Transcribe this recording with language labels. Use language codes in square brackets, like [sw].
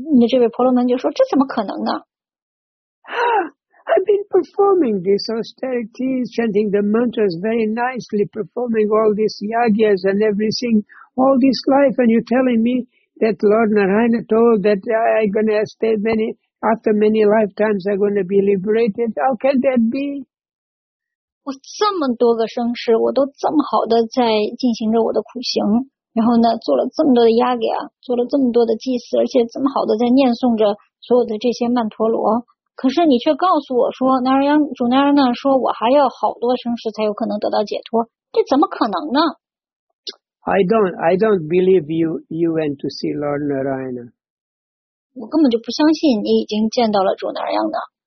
[zh] 这位婆罗门就说这怎么可能呢？ [en] I've been performing these austerities, chanting the mantras very nicely, performing all these yagyas and everything, all this life, and you're telling me that Lord Narayana told that I'm going to stay many, after many lifetimes, I'm going to be liberated. How can that be? [zh] 我这么多个生世，我都这么好的在进行着我的苦行，然后呢，做了这么多的 yagya， 做了这么多的祭祀，而且这么好的在念诵着所有的这些曼陀罗。可是你却告诉我说，主那人呢说，我还要好多生世才有可能得到解脱，这怎么可能呢 [en] ？I don't believe you went to see Lord Narayana. [zh] 我根本就不相信你已经见到了主那人呢。